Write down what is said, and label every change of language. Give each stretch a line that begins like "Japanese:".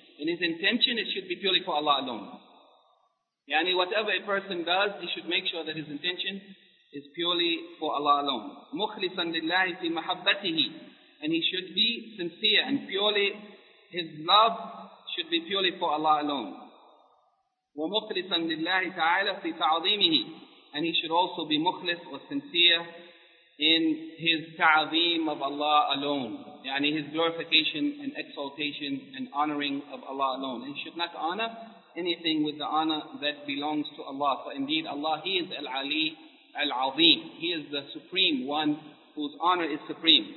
English: In his intention, it should be purely for Allah alone. يعني whatever a person does, he should make sure that his intention is purely for Allah alone.
Arabic: مخلصا لله في محبته.
English: And he should be sincere and purely, his love should be purely for Allah alone.
Arabic: ومخلصا لله تعالى في تعظيمه.
English: And he should also be مخلص or sincere in his ta'zeem of Allah alone. يعني his glorification and exaltation and honoring of Allah alone. And he should not honor anything with the honor that belongs to Allah. For indeed Allah, he is Al-Ali Al-Azim. He is the supreme one whose honor is supreme.